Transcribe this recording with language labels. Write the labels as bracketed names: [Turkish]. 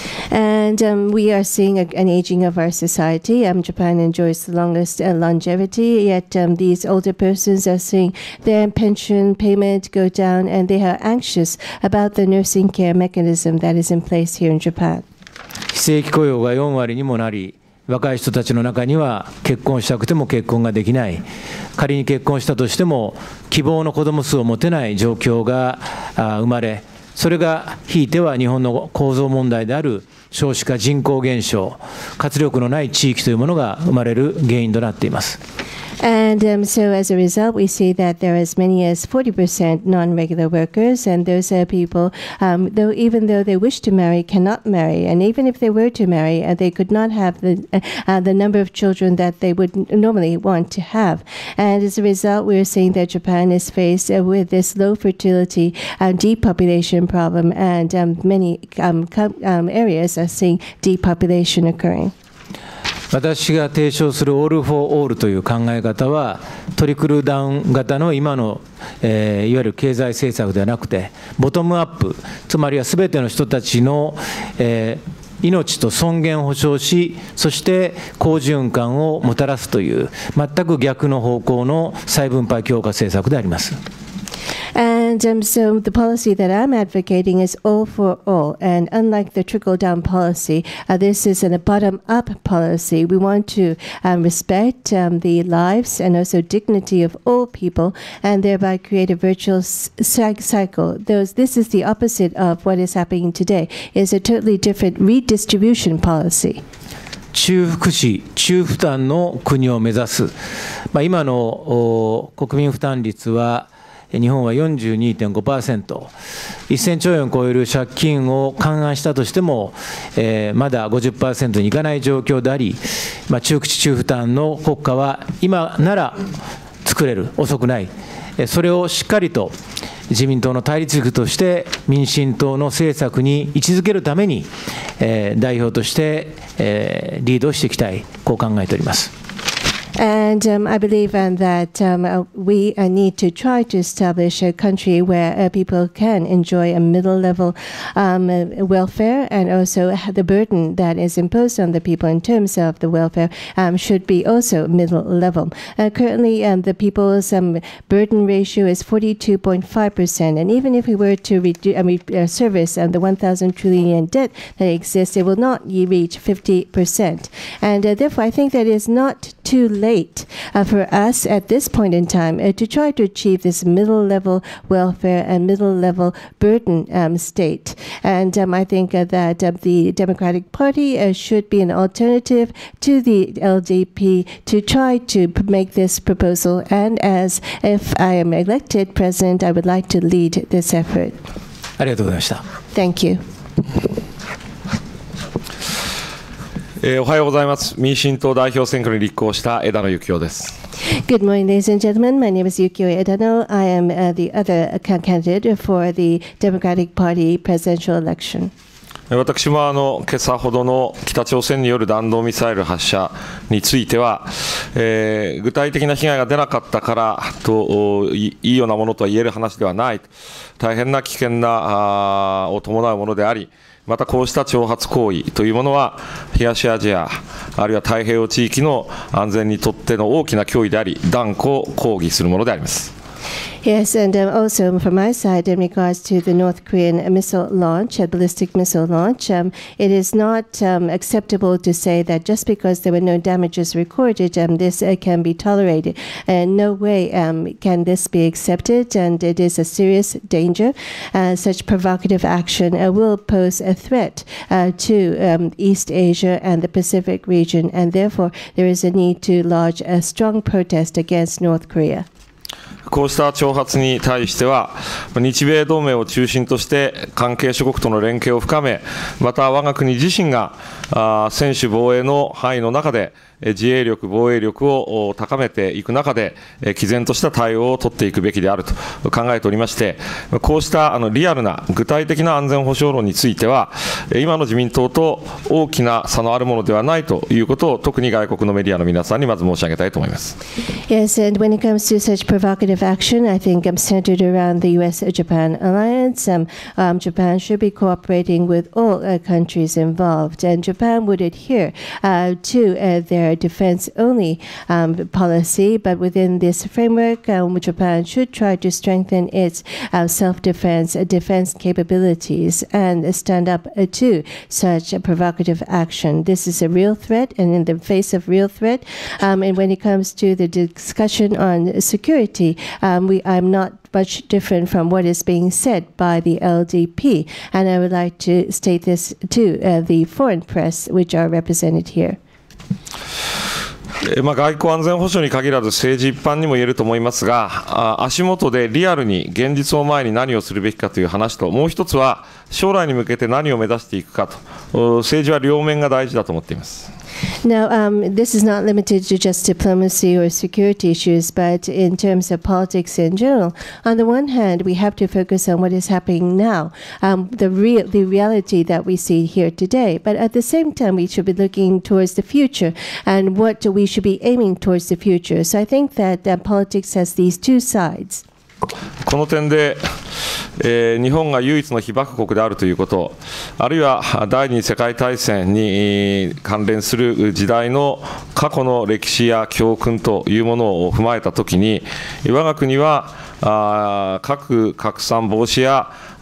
[English] And we are seeing an aging of our society. Japan enjoys the longest longevity, yet these older persons are seeing their pension payment go down, and they are anxious about the nursing care mechanism that is in place here in Japan. [Japanese] 非正規雇用が4割にもなり、若い人たちの中には結婚したくても結婚ができない。仮に結婚したとしても希望の子供数を持てない状況が生まれ、それがひいては日本の構造問題である少子化、人口減少、活力のない地域というものが生まれる原因となっています。 [English] And so as a result, we see that there are as many as 40% non-regular workers, and those are people, though even though they wish to marry, cannot marry, and even if they were to marry, they could not have the number of children that they would normally want to have. And as a result, we are seeing that Japan is faced with this low fertility and depopulation problem, and many areas are seeing depopulation occurring. [Japanese] 私が提唱するオール・フォー・オールという考え方は、トリクルダウン型の今の、いわゆる経済政策ではなくて、ボトムアップ、つまりはすべての人たちの、命と尊厳を保障し、そして好循環をもたらすという、全く逆の方向の再分配強化政策であります。 [English] And so the policy that I'm advocating is all for all. And unlike the trickle-down policy, this is a bottom-up policy. We want to respect the lives and also dignity of all people and thereby create a virtuous cycle. This is the opposite of what is happening today. It's a totally different redistribution policy. [Japanese] 中福祉、中負担の国を目指す。今の国民負担率は日本は 42.5%、 1000兆円を超える借金を勘案したとしても、まだ 50% にいかない状況であり、中口中負担の国家は今なら作れる、遅くない。それをしっかりと自民党の対立軸として民進党の政策に位置づけるために、代表として、リードしていきたい、こう考えております。 [English] And I believe that we need to try to establish a country where people can enjoy a middle level welfare, and also the burden that is imposed on the people in terms of the welfare should be also middle level. Currently, the people's burden ratio is 42.5%, and even if we were to service the 1,000 trillion debt that exists, it will not reach 50%. And therefore, I think that is not too late late for us at this point in time to try to achieve this middle level welfare and middle level burden state. And I think that the Democratic Party should be an alternative to the LDP to try to make this proposal. And as if I am elected president, I would like to lead this effort. [Japanese] ありがとうございました。 [English] Thank you. [Japanese] おはようございます。民進党代表選挙に立候補した枝野幸男です。 [English] Good morning, ladies and gentlemen. My name is Yukio Edano. I am the other candidate for the Democratic Party presidential election. [Japanese] 私も今朝ほどの北朝鮮による弾道ミサイル発射については、具体的な被害が出なかったからと いいようなものとは言える話ではない。大変な危険なを伴うものであり、またこうした挑発行為というものは東アジア、あるいは太平洋地域の安全にとっての大きな脅威であり、断固抗議するものであります。 [English] Yes, and also from my side, in regards to the North Korean missile launch, a ballistic missile launch, it is not acceptable to say that just because there were no damages recorded, this can be tolerated. And no way can this be accepted, and it is a serious danger. Such provocative action will pose a threat to East Asia and the Pacific region, and therefore there is a need to lodge a strong protest against North Korea. [Japanese] こうした挑発に対しては、日米同盟を中心として関係諸国との連携を深め、また我が国自身が専守防衛の範囲の中で自衛力防衛力を高めていく中で毅然とした対応を取っていくべきであると考えておりまして、こうしたリアルな具体的な安全保障論については今の自民党と大きな差のあるものではないということを特に外国のメディアの皆さんにまず申し上げたいと思います。 [English] Yes, and when it comes to such provocative action, I think I'm centered around the US-Japan alliance. Japan should be cooperating with all countries involved, and Japan would adhere to their defense-only policy, but within this framework, Japan should try to strengthen its self-defense, defense capabilities, and stand up to such a provocative action. This is a real threat, and in the face of real threat, and when it comes to the discussion on security, I'm not much different from what is being said by the LDP, and I would like to state this to the foreign press, which are represented here. [Japanese] 外交安全保障に限らず政治一般にも言えると思いますが、足元でリアルに現実を前に何をするべきかという話と、もう一つは将来に向けて何を目指していくかと、政治は両面が大事だと思っています。 [English] Now, this is not limited to just diplomacy or security issues, but in terms of politics in general, on the one hand, we have to focus on what is happening now, the reality that we see here today. But at the same time, we should be looking towards the future and what we should be aiming towards the future. So I think that politics has these two sides. [Japanese] この点で、日本が唯一の被爆国であるということ、あるいは第二次世界大戦に関連する時代の過去の歴史や教訓というものを踏まえたときに、我が国は核拡散防止や